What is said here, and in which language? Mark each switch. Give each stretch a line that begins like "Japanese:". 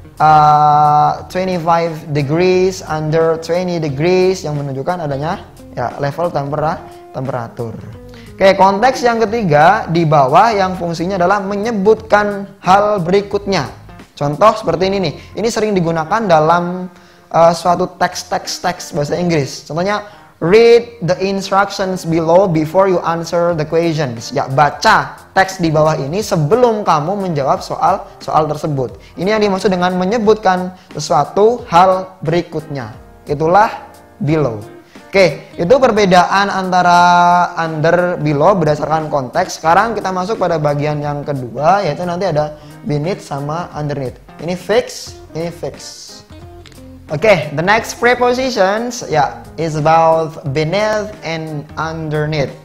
English: 25 degrees, under 20 degrees,
Indonesian: yang menunjukkan adanya ya level temperatur. Oke, konteks yang ketiga, di bawah, yang fungsinya adalah menyebutkan hal berikutnya. Contoh seperti ini nih, ini sering digunakan dalam suatu teks-teks bahasa Inggris. Contohnya,
English: read the instructions below before you answer the questions.
Indonesian: Ya, baca teks di bawah ini sebelum kamu menjawab soal tersebut. Ini yang dimaksud dengan menyebutkan sesuatu hal berikutnya. Itulah below. Oke, itu perbedaan antara under, below berdasarkan konteks. Sekarang kita masuk pada bagian yang kedua, yaitu nanti ada beneath sama underneath. Ini fix, ini fix.
English: Oke, the next prepositions ya is about beneath and underneath.